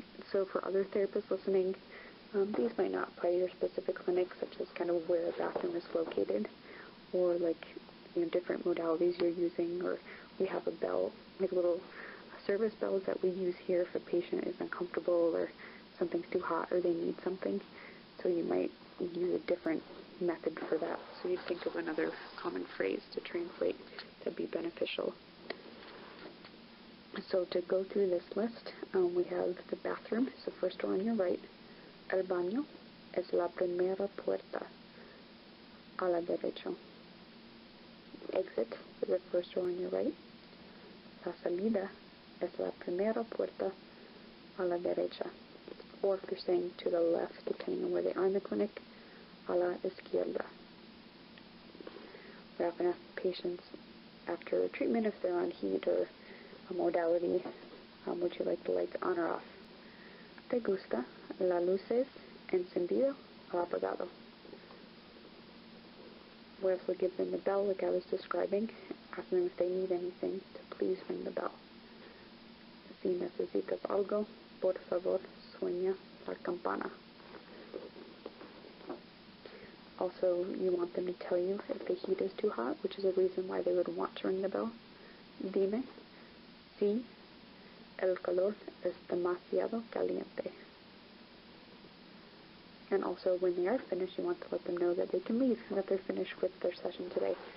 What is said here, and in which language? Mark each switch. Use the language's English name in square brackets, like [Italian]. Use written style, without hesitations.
[English] So for other therapists listening, these might not apply to your specific clinic, such as kind of where a bathroom is located, or like, you know, different modalities you're using, or we have a bell, like little service bells that we use here if a patient is uncomfortable or something's too hot or they need something. So you might use a different method for that. So you think of another common phrase to translate that'd be beneficial. So to go through this list, we have the bathroom, it's the first door on your right. [Spanish] El baño es la primera puerta a la derecha. [English] Exit is the first door on your right. [Spanish] La salida es la primera puerta a la derecha. [English] Or if you're saying to the left, depending on where they are in the clinic, [Spanish] a la izquierda. [English] We often ask patients after a treatment if they're on heat or a modality, would you like the lights on or off? [Spanish] ¿Te gusta la luces encendido o apagado? [English] We also give them the bell like I was describing, asking them if they need anything to please ring the bell. [Spanish] Si necesitas algo, por favor, suena la campana. [English] Also, you want them to tell you if the heat is too hot, which is a reason why they would want to ring the bell. [Spanish] Dime si el calor es demasiado caliente. [English] And also, when they are finished, you want to let them know that they can leave, that they're finished with their session today.